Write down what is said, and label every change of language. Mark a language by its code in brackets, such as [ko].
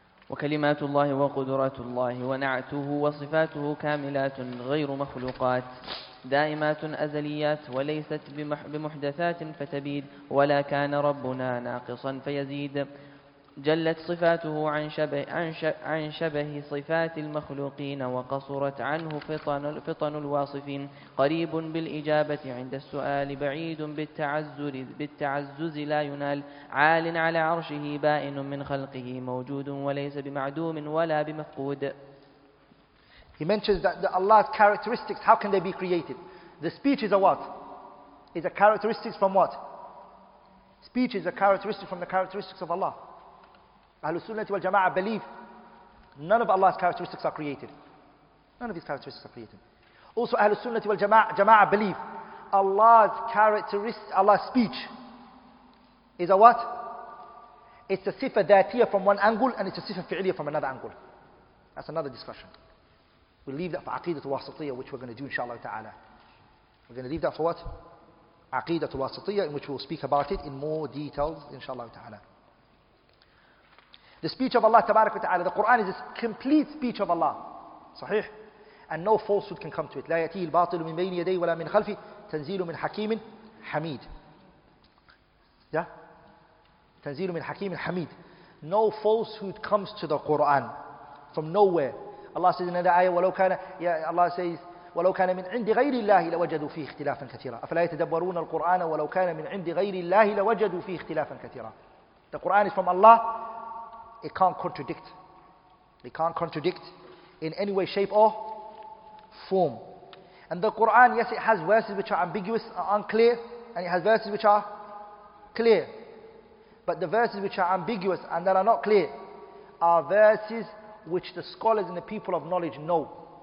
[ar] وكلمات الله وقدرات الله ونعته وصفاته كاملات غير مخلوقات دائمات أزليات وليست بمحدثات فتبيد ولا كان ربنا ناقصا فيزيد جلت صفاته عن شبه صفات المخلوقين وقصرت عنه فطن الواصفين قريب بالإجابة عند السؤال بعيد بالتعزز لا ينال عال على عرشه بائن من خلقه موجود وليس بمعدوم ولا بمفقود. [en] He mentions that the Allah's characteristics, how can they be created? The speech is a what? Is a characteristic from what? Speech is a characteristic from the characteristics of Allah. Ahlul Sunnah wal Jama'ah believe none of Allah's characteristics are created. None of his characteristics are created. Also, Ahlul Sunnah wal Jama'ah believe Allah's speech is a what? It's a sifa dhatiya from one angle and it's a sifa fi'liya from another angle. That's another discussion. We'll leave that for aqidat al-wasitiyya, which we're going to do inshallah ta'ala. We're going to leave that for what? Aqidat al-wasitiyya, in which we'll speak about it in more details inshallah ta'ala. The speech of Allah tabarak wa ta'ala, the Quran is a complete speech of Allah. Sahih? And no falsehood can come to it. [ar] لا يأتي الباطل من بين يديه ولا من خلفه تنزيل من حكيم حميد. [en] Yeah? [ar] تنزيل من حكيم حميد. [en] No falsehood comes to the Quran from nowhere. Allah says in another ayah, ولو كان, yeah, Allah says, [ar] ولو كان من عند غير الله لوجدوا فيه اختلافا كثيرا. أفلا يتدبرون القرآن ولو كان من عند غير الله لوجدوا فيه اختلافا كثيرا. [en] The Quran is from Allah. It can't contradict. It can't contradict in any way, shape or form. And the Quran, yes, it has verses which are ambiguous, are unclear, and it has verses which are clear. But the verses which are ambiguous and that are not clear are verses which the scholars and the people of knowledge know.